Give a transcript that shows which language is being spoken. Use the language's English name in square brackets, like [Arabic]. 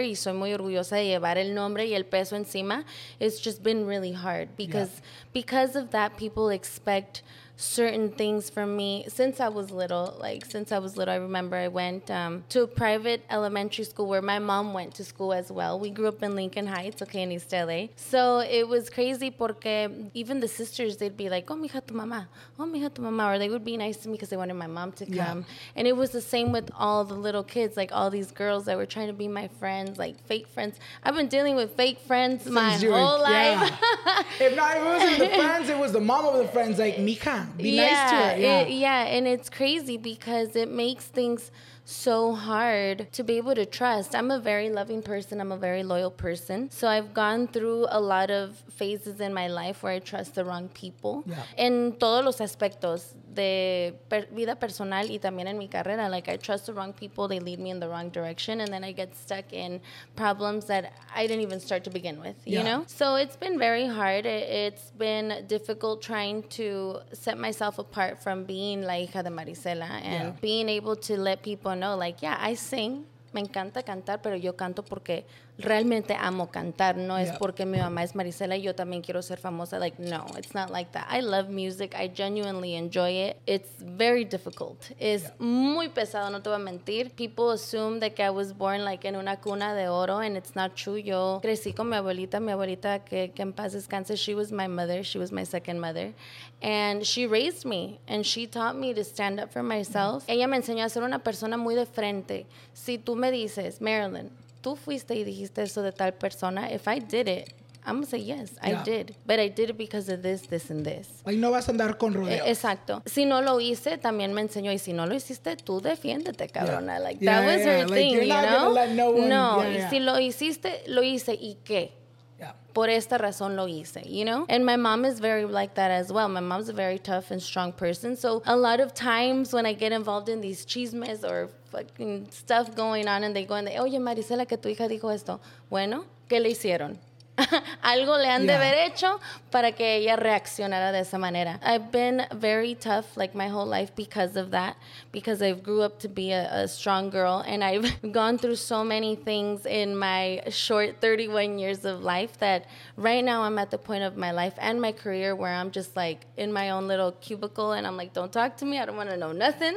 [Spanish] Y soy muy orgullosa de llevar el nombre y el peso encima. [English] It's just been really hard. Because of that, people expect certain things from me since I was little. Like, since I was little, I remember I went to a private elementary school where my mom went to school as well. We grew up in Lincoln Heights, okay, in East LA. So it was crazy porque even the sisters, they'd be like, oh, mija, [Spanish] tu mamá. [English] Oh, mija, tu mamá. Or they would be nice to me because they wanted my mom to come. Yeah. And it was the same with all the little kids, like all these girls that were trying to be my friends, like fake friends. I've been dealing with fake friends my whole life. Yeah. If not, it wasn't the friends, it was the mom of the friends, like, mija. Be nice to her. And it's crazy because it makes things so hard to be able to trust. I'm a very loving person. I'm a very loyal person. So I've gone through a lot of phases in my life where I trust the wrong people. Yeah. [Spanish] En todos los aspectos de vida personal y también en mi carrera. [English] Like, I trust the wrong people. They lead me in the wrong direction. And then I get stuck in problems that I didn't even start to begin with, you know? So it's been very hard. It's been difficult trying to set myself apart from being [Spanish] la hija de Maricela [English] and being able to let people know, like, yeah, I sing, [Spanish] me encanta cantar, pero yo canto porque realmente amo cantar, no es porque mi mamá es Maricela y yo también quiero ser famosa. [English] Like, no, it's not like that. I love music, I genuinely enjoy it. It's very difficult. [Spanish] Es muy pesado, no te voy a mentir. [English] People assume that I was born, like, [Spanish] en una cuna de oro, [English] and it's not true. [Spanish] Yo crecí con mi abuelita que en paz descanse, [English] she was my mother, she was my second mother, and she raised me, and she taught me to stand up for myself. [Spanish] Ella me enseñó a ser una persona muy de frente. Si tú me dices, Marilyn, tú fuiste y dijiste eso de tal persona, [English] if I did it, I'm going to say yes, yeah. I did. But I did it because of this, this, and this. [Spanish] Y no vas a andar con rodeos. Exacto. Si no lo hice, también me enseñó. Y si no lo hiciste, tú defiéndete, cabrona. Yeah. [English] Like, that was her thing, you're you not know? Gonna let no one. No, yeah, [Spanish] y si lo hiciste, lo hice. ¿Y qué? Por esta razón lo hice, [English] you know? And my mom is very like that as well. My mom's a very tough and strong person. So a lot of times when I get involved in these chismes or fucking stuff going on and they go and they, [Spanish] oye, Marisela, que tu hija dijo esto. Bueno, ¿qué le hicieron? Algo le han de haber hecho para que ella reaccionara de esa manera. [English] I've been very tough like my whole life because of that, because I've grew up to be a strong girl and I've gone through so many things in my short 31 years of life that right now I'm at the point of my life and my career where I'm just like in my own little cubicle and I'm like, don't talk to me. I don't want to know nothing.